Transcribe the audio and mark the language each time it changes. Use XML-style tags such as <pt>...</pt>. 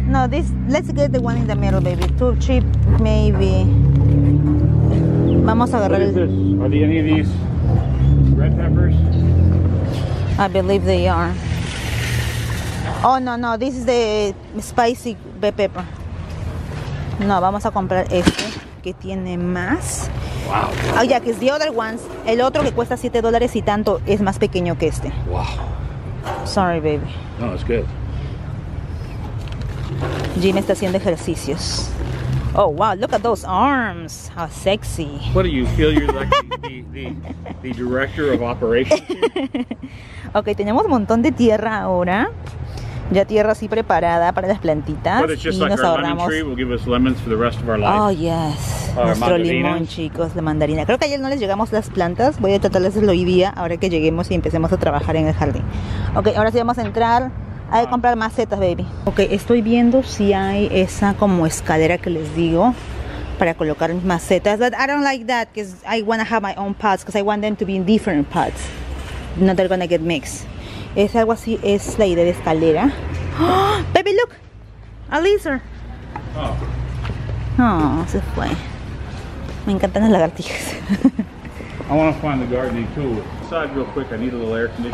<en>No, let's get the one in the middle, baby. Too cheap, maybe.</en> <es>Vamos a agarrar.</es> <en>What is this? Are there any of these red peppers? I believe they are. Oh, no, this is the spicy bell pepper.</en> <es>No, vamos a comprar este que tiene más. Wow. Oh, ya, que es</es> <en>The Other Ones.</en> <es>El otro que cuesta $7 y tanto es más pequeño que este. Wow.</es> <en>Sorry, baby. No, it's good.</en> <es>Jim está haciendo ejercicios.</es> <en>Oh, wow, look at those arms. How sexy. What do you feel? You're like the director of operations</en> <es>here? Ok, tenemos un montón de tierra ahora. Ya tierra así preparada para las plantitas.</es> <en>But it's just</en> <es>y</es> <en>like</en> <es>nos</es> <en>our</en> <es>ahorramos.</es> <en>Lemon tree will give us lemons for the rest of our life. Oh, yes.</en> <es>Nuestro limón, chicos, la mandarina. Creo que ayer no les llegamos las plantas. Voy a tratar de hacerlo hoy día, ahora que lleguemos y empecemos a trabajar en el jardín. Ok, ahora sí vamos a entrar. Hay que comprar macetas, baby. Ok, estoy viendo si hay esa como escalera que les digo para colocar macetas.</es> <en>But I don't like that because I want to have my own pots because I want them to be in different pots. Not they're going to get mixed.</en> <es>Es algo así, es la idea de escalera.</es> <en>Oh, baby, look. A lizard. Oh.</en> <es>Oh, se fue. Me encantan las lagartijas.</es> <en>I want to find the gardening tool. Inside real quick, I need a little air conditioning.</en>